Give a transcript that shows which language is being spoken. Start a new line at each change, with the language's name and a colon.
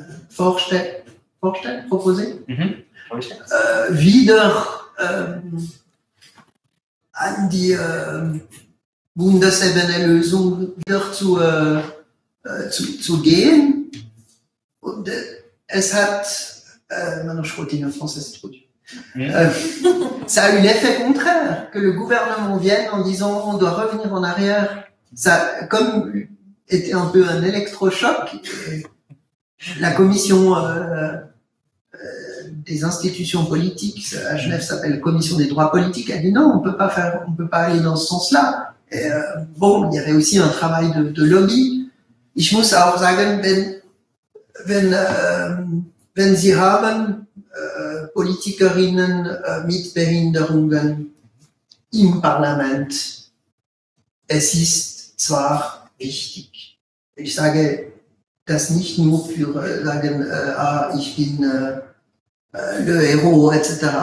German: vorstellt, proposé, wieder an die Bundesebene Lösung wieder zu gehen. Und es hat
French: maintenant, je continue en français, c'est trop dur. Ça a eu l'effet contraire que le gouvernement vienne en disant on doit revenir en arrière. Ça, comme était un peu un électrochoc, la commission des institutions politiques à Genève s'appelle commission des droits politiques, a dit non, on peut pas aller dans ce sens-là. Et, bon, il y avait aussi un travail de lobby.
German: Ich muss auch sagen, wenn Sie haben Politikerinnen mit Behinderungen im Parlament, es ist zwar wichtig. Ich sage das nicht nur für sagen, ich bin
French: le héros etc.